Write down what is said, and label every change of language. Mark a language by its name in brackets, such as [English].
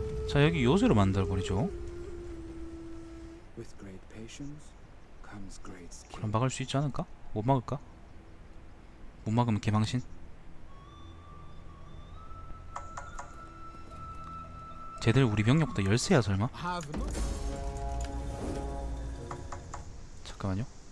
[Korean] 자, 여기 요새로 만들어 버리죠. [English] With great patience comes great skill. [Korean] 그럼 막을 수 있지 않을까? 못 막을까? 못 막으면 개망신. 쟤들 우리 병력보다 열세야 설마? 잠깐만요.